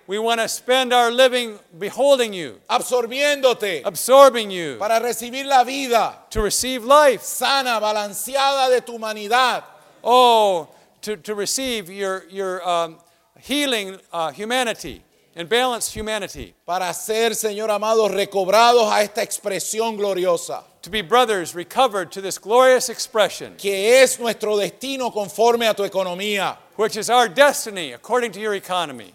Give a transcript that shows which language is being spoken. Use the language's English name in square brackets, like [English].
[English] We want to spend our living beholding you. [Spanish] Absorbiéndote. [English] Absorbing you. [Spanish] Para recibir la vida. [English] To receive life. [Spanish] Sana, balanceada de tu humanidad. [English] Oh, to receive your healing humanity. And balance humanity. [Spanish] Para ser, Señor amado, recobrados a esta expresión gloriosa. [English] To be brothers recovered to this glorious expression. [Spanish] Que es nuestro destino conforme a tu economía. [English] Which is our destiny according to your economy.